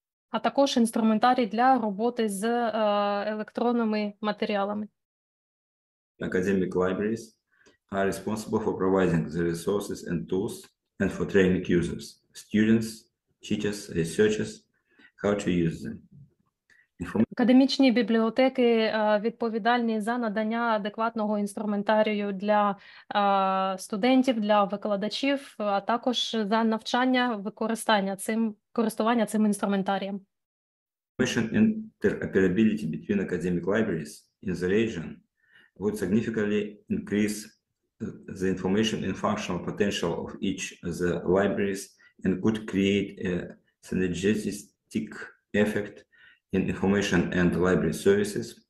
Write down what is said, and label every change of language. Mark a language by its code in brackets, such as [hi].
[uk] А також інструментарій для роботи з електронними матеріалами. [en] Academic libraries are responsible for providing the resources and tools and for training users, students, teachers, researchers, how to use them. [uk] Академічні бібліотеки відповідальні за надання адекватного інструментарію для студентів, для викладачів, а також за навчання користування цим інструментарієм. [en] Information interoperability between academic libraries in the region would significantly increase the information and functional potential of each of the libraries and could create a synergistic effect in information and library services.